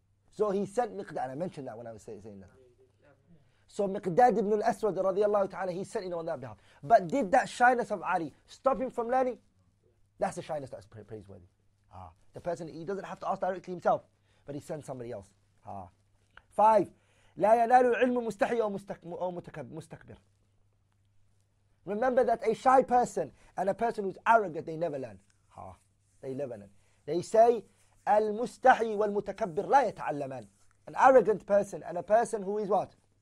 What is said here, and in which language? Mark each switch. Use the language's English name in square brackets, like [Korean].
[English] So he sent Miqdad, and I mentioned that when I was saying that. So Miqdad ibn al-Aswad, radiallahu ta'ala, he sent in on that behalf. But did that shyness of Ali stop him from learning? That's the shyness that's praiseworthy. Ah. The person, he doesn't have to ask directly himself, but he sends somebody else. Ah. [Arabic] Five, لا ينال العلم مستحي أو مستكبر. [English] Remember that a shy person and a person who's arrogant, they never learn. Ah. They never learn. They say, [Arabic] المستحي والمتكبر لا يتعلمان. [English] An arrogant person and a person who is what?